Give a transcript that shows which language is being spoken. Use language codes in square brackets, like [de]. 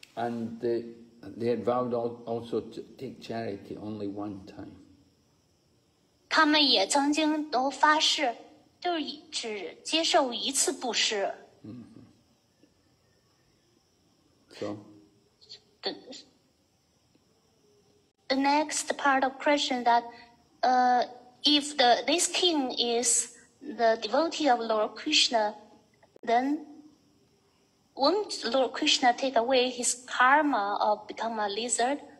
[en] And they had vowed also to take charity only one time. [zh] 他们也曾经都发誓，就是只接受一次布施。 [en] So. The next part of question that if this king is the devotee of Lord Krishna, then won't Lord Krishna take away his karma of become a lizard?